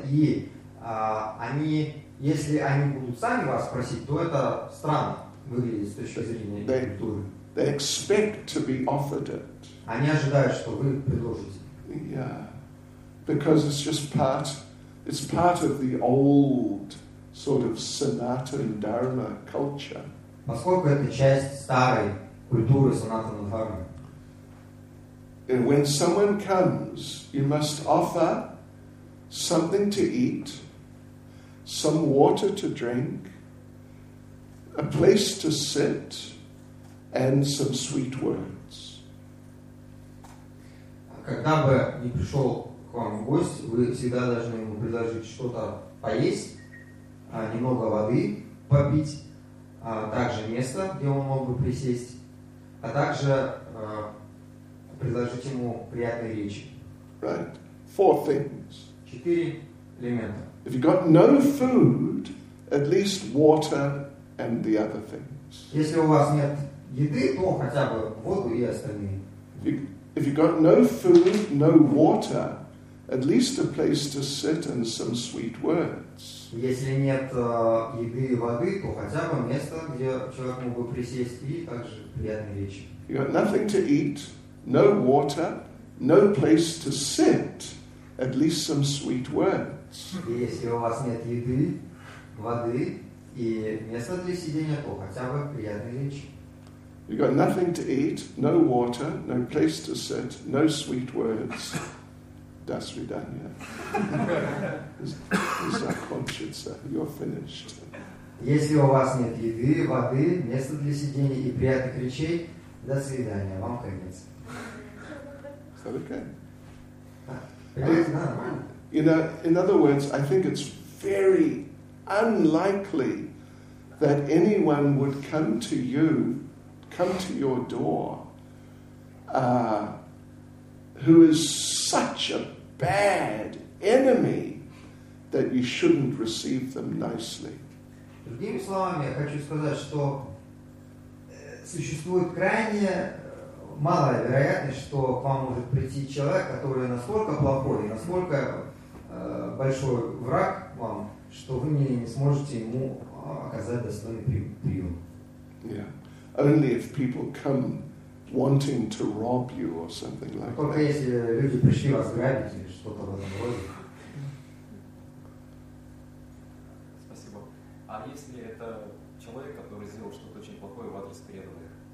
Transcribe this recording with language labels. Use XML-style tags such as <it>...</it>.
<ru>И они, если они будут сами вас просить, то это странно выглядит с точки зрения культуры.</ru> <en>They expect to be offered it.</en> <ru>Они ожидают, что вы предложите.</ru> <en>Yeah. Because it's just part of the old sort of Sanatana Dharma culture.</en> <ru>Поскольку это часть старой культуры Sanatana Dharma.</ru> <en>And when someone comes, you must offer something to eat, some water to drink, a place to sit, and some sweet words.</en> <ru>Когда бы не пришел к вам в гость, вы всегда должны ему предложить что-то поесть, немного воды попить, также место, где он мог бы присесть, а также предложить ему приятные речи.</ru> <en>Right. Four things.</en> <ru>Четыре элемента.</ru> <en>If you got no food, at least water and the other things.</en> <ru>Если у вас нет еды, то хотя бы воду и остальные.</ru> <en>If you got no food, no water, at least a place to sit and some sweet words.</en> <ru>Если нет еды и воды, то хотя бы место, где человек мог бы присесть, и также приятные речи.</ru> <en>You got nothing to eat, no water, no place to sit, at least some sweet words.</en> <ru>Если у вас нет еды, воды и места для сидения, то хотя бы приятные речи.</ru> <en>You got nothing to eat, no water, no place to sit, no sweet words. Dasvidanya. Is that conscience? You're finished.</en> <ru>Если у вас нет еды, воды, места для сидения и приятных речей, до свидания, вам конец.</ru> <en>Is that okay?</en> <ru>Нормально.</ru> <en>In other words, I think it's very unlikely that anyone would come to your door who is such a bad enemy that you shouldn't receive them nicely.</en> <ru>Другими словами, я хочу сказать, что существует крайне малая вероятность, что к вам может прийти человек, который настолько плохой и настолько большой враг вам, что вы не сможете ему оказать достойный прием.</ru> <en>Yeah. Only if people come wanting to rob you or something like</en> <ru>только</ru> <en>that.</en> <ru>Если люди пришли вас грабить или что-то в этом роде. Спасибо. А если это человек, который сделал что-то очень плохое в адрес преданных?</ru>